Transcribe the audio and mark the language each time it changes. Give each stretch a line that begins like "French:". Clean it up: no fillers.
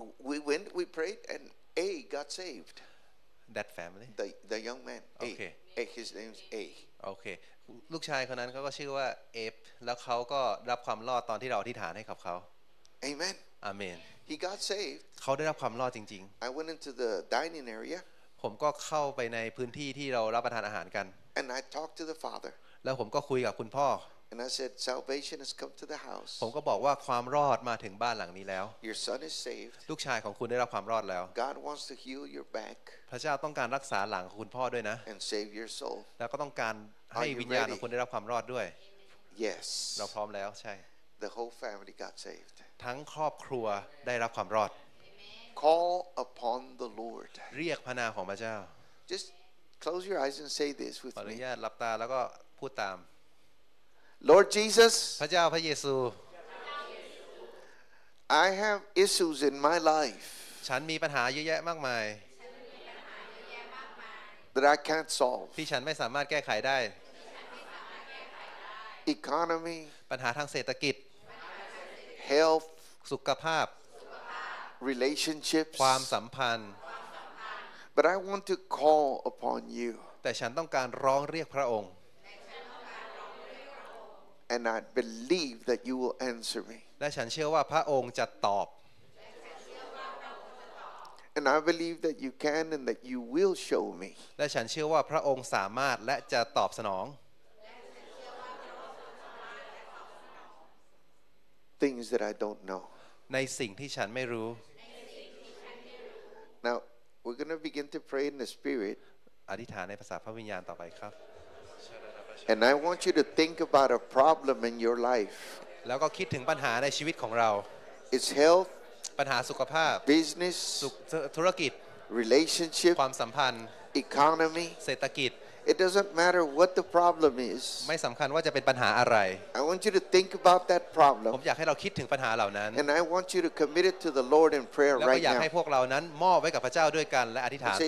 English: we went, we prayed, and A got saved. That family. The young man. Okay. A, his name's A. Okay.
Thai: ลูกชายคนนั้นเขาก็ชื่อว่าเอฟแล้วเขาก็รับความรอดตอนที่เราอธิษฐานให้กับเขา
English: Amen. Amen. He got saved.
Thai: เขาได้รับความรอดจริง
English: ๆ I went into the dining area.
Thai: ผมก็เข้าไปในพื้นที่ที่เรารับประทานอาหารกัน
English: And I talked to the father.
Thai: แล้วผมก็คุยกับคุณพ่อ
English: And I said, salvation has come to the house.
Thai: ผมก็บอกว่าความรอดมาถึงบ้านหลังนี้แล้ว
English: Your son is saved.
Thai: ลูกชายของคุณได้รับความรอดแล้ว
English: God wants to heal your back.
Thai: พระเจ้าต้องการรักษาหลังของคุณพ่อด้วยนะ
English: And save your soul.
Thai: แล้วก็ต้องการให้วิญญาณของคุณได้รับความรอดด้วย
English: Yes.
Thai: เราพร้อมแล้วใช่
English: The whole family got saved.
Thai: ทั้งครอบครัวได้รับความรอด
English: Call upon the Lord.
Thai: เรียกพระนามของพระเจ้า
English: Just close your eyes and say this with me.
Thai: ขออนุญาตหลับตาแล้วก็พูดตาม
English: Lord Jesus,
Thai: พระเจ้าพระเยซู
English: I have issues in my life.
Thai: ฉันมีปัญหาเยอะแยะมากมาย
English: That I can't solve.
Thai: ที่ฉันไม่สามารถแก้ไขได้
English: Economy.
Thai: ปัญหาทางเศรษฐกิจ
English: Health.
Thai: สุขภาพ
English: Relationships.
Thai: ความสัมพันธ์
English: But I want to call upon you.
Thai: แต่ฉันต้องการร้องเรียกพระองค์
English: And I believe that you will answer me.
Thai: และฉันเชื่อว่าพระองค์จะตอบ
English: And I believe that you can and that you will show me.
Thai: และฉันเชื่อว่าพระองค์สามารถและจะตอบสนอง
English: Things that I don't know.
Thai: ในสิ่งที่ฉันไม่รู้
English: Now we're going to begin to pray in the spirit.
Thai: อธิษฐานในภาษาพระวิญญาณต่อไปครับ
English: And I want you to think about a problem in your life.
Thai: แล้วก็คิดถึงปัญหาในชีวิตของเรา
English: It's health.
Thai: ปัญหาสุขภาพ
English: Business.
Thai: ธุรกิจ
English: Relationship.
Thai: ความสัมพันธ์
English: Economy.
Thai: เศรษฐกิจ
English: It doesn't matter what the problem is.
Thai: ไม่สำคัญว่าจะเป็นปัญหาอะไร
English: I want you to think about that problem.
Thai: ผมอยากให้เราคิดถึงปัญหาเหล่านั้น
English: And I want you to commit it to the Lord in prayer right now.
Thai: แล้วก็อยากให้พวกเรานั้นมอบไว้กับพระเจ้าด้วยกันและอธิษฐานต่อไป